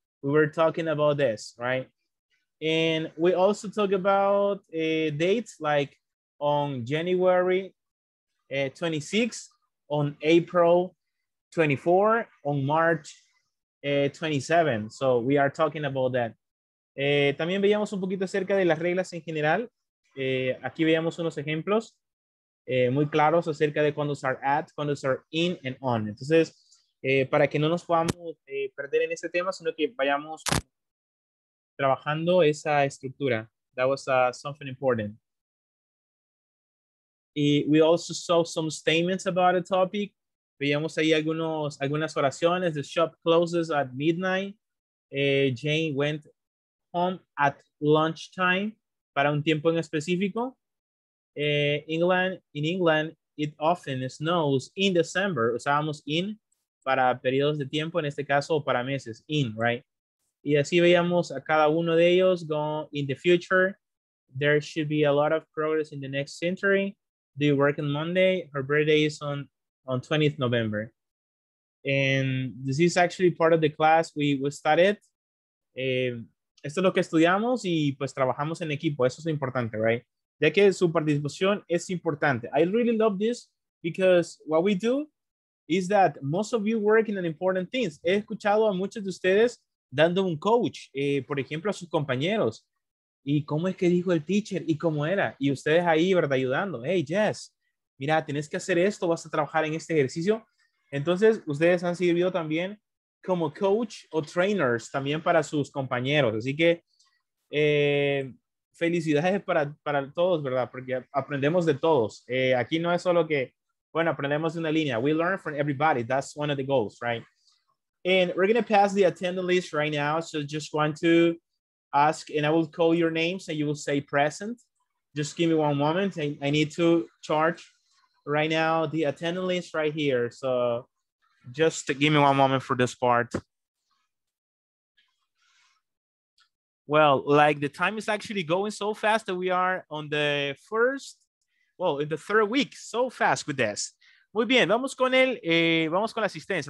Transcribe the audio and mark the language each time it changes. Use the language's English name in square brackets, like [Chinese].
[English] We were talking about this, right? And we also talk about dates like on January 26, on April 24, on March 27. So we are talking about that. [Spanish] También veíamos un poquito acerca de las reglas en general. Aquí veíamos unos ejemplos muy claros acerca de cuando usar at, cuando usar in and on. Entonces, para que no nos podamos perder en ese tema, sino que vayamos trabajando esa estructura. [English] That was something important. we also saw some statements about a topic. [Spanish] Veíamos ahí algunas oraciones. [English] The shop closes at midnight. Jane went home at lunchtime. [Spanish] Para un tiempo en específico. [English] In England, it often snows in December. [Spanish] Usábamos in para periodos de tiempo, en este caso, para meses. In, right? Y así veíamos a cada uno de ellos. [English] Go in the future. There should be a lot of progress in the next century. Do you work on Monday? Her birthday is on 20th November. And this is actually part of the class we started. [Spanish] Esto es lo que estudiamos y pues trabajamos en equipo. Eso es lo importante, right? Ya que su participación es importante. [English] I really love this because what we do is that most of you work in an important things. [Spanish] He escuchado a muchos de ustedes dando un coach, por ejemplo, a sus compañeros. ¿Y cómo es que dijo el teacher? ¿Y cómo era? Y ustedes ahí, ¿verdad? Ayudando. Hey, Jess, mira, tienes que hacer esto. Vas a trabajar en este ejercicio. Entonces, ustedes han servido también como coach o trainers también para sus compañeros. Así que felicidades para todos, ¿verdad? Porque aprendemos de todos. Aquí no es solo que, bueno, aprendemos de una línea. [English] We learn from everybody. That's one of the goals, right? And we're going to pass the attendance list right now. So just want to ask, and I will call your names and you will say present. Just give me one moment. I need to charge right now the attendance list right here. So just give me one moment for this part. Well, like the time is actually going so fast that we are on the first, well, in the third week, so fast with this. [Spanish] Muy bien, vamos con el, vamos con la asistencia.